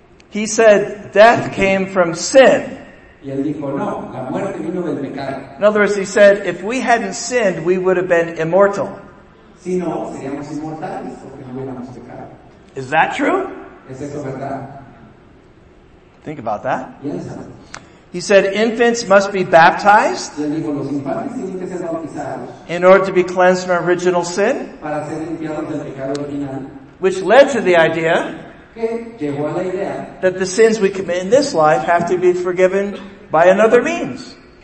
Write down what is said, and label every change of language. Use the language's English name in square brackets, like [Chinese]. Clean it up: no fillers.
[English] He said death came from sin. [Spanish] Y él dijo, no, la muerte vino del pecado. [English] In other words, he said, if we hadn't sinned, we would have been immortal. [Spanish] Si no, seríamos inmortales porque no hubiéramos pecado. [English] Is that true? [Spanish] ¿Es eso verdad? [English] Think about that. Yes. He said, infants must be baptized. [Spanish] Y él dijo, los infantes tienen que ser bautizados. [English] In order to be cleansed from original sin. [Spanish] Para ser limpiados del pecado original. [English] Which led to the idea. That the sins we commit in this life have to be forgiven by another means.